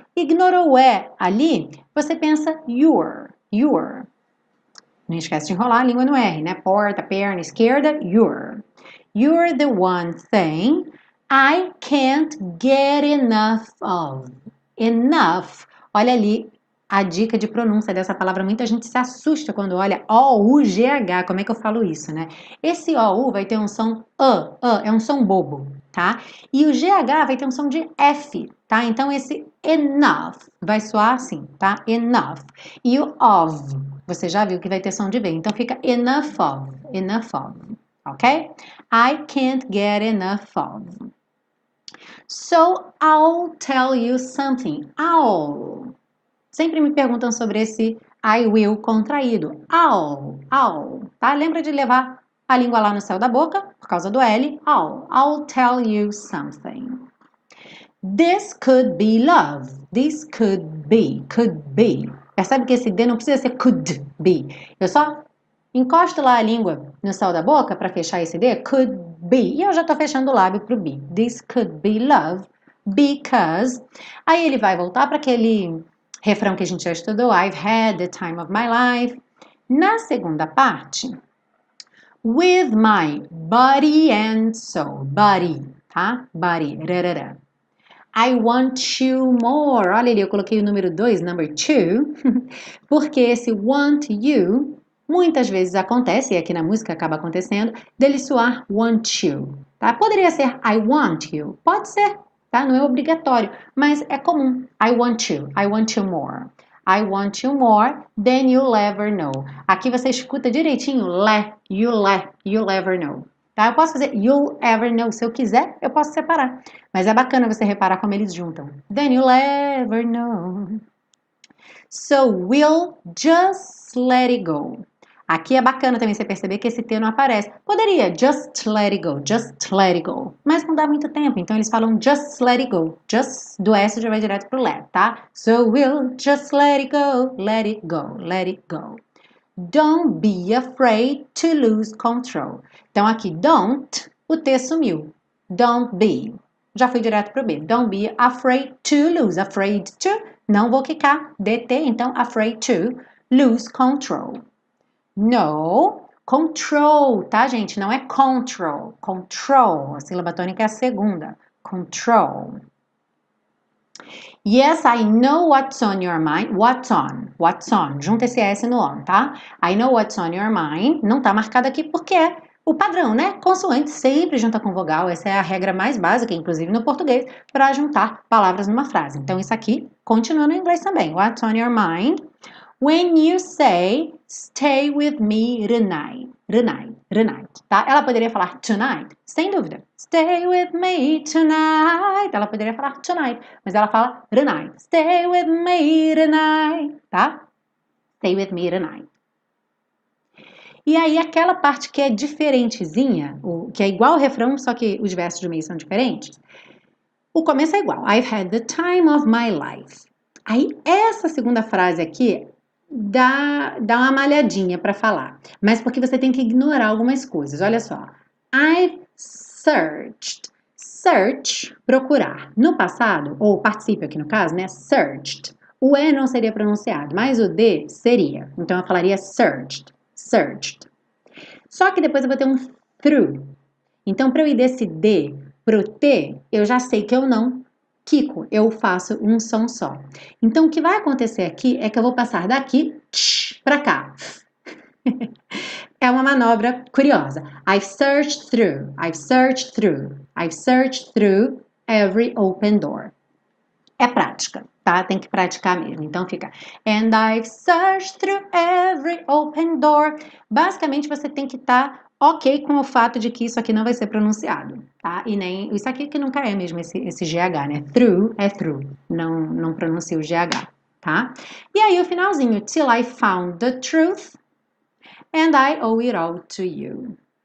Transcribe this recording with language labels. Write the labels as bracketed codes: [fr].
[pt] Ignora o E ali, você pensa you're. Não esquece de enrolar a língua no R, né? Porta, perna, esquerda, you're. [en] You're the one thing I can't get enough of. [pt] Enough, olha ali. A dica de pronúncia dessa palavra, muita gente se assusta quando olha O-U-G-H, como é que eu falo isso, né? Esse O-U vai ter um som é um som bobo, tá? E o G-H vai ter um som de F, tá? Então, esse enough vai soar assim, tá? Enough. E o of, você já viu que vai ter som de V, então fica enough of, ok? [en] I can't get enough of. So, I'll tell you something, I'll... [pt] Sempre me perguntam sobre esse I will contraído. I'll, tá? Lembra de levar a língua lá no céu da boca, por causa do L. [en] I'll tell you something. This could be love. This could be. [pt] Percebe que esse D não precisa ser could be. Eu só encosto lá a língua no céu da boca para fechar esse D, could be. E eu já tô fechando o lábio pro B. [en] This could be love because... [pt] Aí ele vai voltar para aquele... refrão que a gente já estudou, [en] I've had the time of my life. [pt] Na segunda parte, [en] with my body and soul, body, tá? Body, rarara. I want you more. [pt] Olha ali, eu coloquei o número 2, number 2, porque esse want you, muitas vezes acontece, e aqui na música acaba acontecendo, dele soar want you, tá? Poderia ser I want you, pode ser. Tá? Não é obrigatório, mas é comum. [en] I want you more. I want you more than you'll ever know. [pt] Aqui você escuta direitinho, [en] you'll ever know. [pt] Tá? Eu posso fazer you'll ever know. Se eu quiser, eu posso separar. Mas é bacana você reparar como eles juntam. [en] Then you'll ever know. So we'll just let it go. [pt] Aqui é bacana também você perceber que esse T não aparece. Poderia, [en] just let it go, just let it go. [pt] Mas não dá muito tempo, então eles falam [en] just let it go. [pt] Just do S já vai direto pro let, tá? [en] So we'll just let it go, let it go. Don't be afraid to lose control. [pt] Então aqui, don't, o T sumiu. [en] Don't be. [pt] Já fui direto pro B. [en] Don't be afraid to lose. Afraid to, [pt] não vou quicar. [en] DT, então, afraid to lose control. [pt] No, control, tá, gente? Não é control. Control, a sílaba tônica é a segunda. [en] Control. Yes, I know what's on your mind. What's on? What's on? [pt] Junta esse S no on, tá? [en] I know what's on your mind. [pt] Não tá marcado aqui porque é o padrão, né? Consoante sempre junta com vogal. Essa é a regra mais básica, inclusive no português, para juntar palavras numa frase. Então, isso aqui continua no inglês também. [en] What's on your mind? When you say, stay with me tonight. Tonight, tá? [pt] Ela poderia falar tonight, sem dúvida. [en] Stay with me tonight. [pt] Ela poderia falar tonight, mas ela fala tonight. [en] Stay with me tonight, [pt] tá? Stay with me tonight. E aí, aquela parte que é diferentezinha, que é igual ao refrão, só que os versos do meio são diferentes. O começo é igual. [en] I've had the time of my life. [pt] Aí, essa segunda frase aqui dá uma malhadinha para falar, mas porque você tem que ignorar algumas coisas. Olha só. I've searched. Search, procurar. No passado, ou participio aqui no caso, né? Searched. O E não seria pronunciado, mas o D seria. Então eu falaria searched. Searched. Só que depois eu vou ter um through. Então para eu ir desse D pro T, eu já sei que eu não Kiko, eu faço um som só. Então, o que vai acontecer aqui é que eu vou passar daqui para cá. É uma manobra curiosa. [en] I've searched through, I've searched through, I've searched through every open door. [pt] É prática, tá? Tem que praticar mesmo. Então, fica. [en] And I've searched through every open door. [pt] Basicamente, você tem que estar ok com o fato de que isso aqui não vai ser pronunciado, tá? E nem isso aqui que nunca é mesmo esse GH, né? Through é through. Não pronuncia o GH, tá? E aí o finalzinho, [en] till I found the truth and I owe it all to you.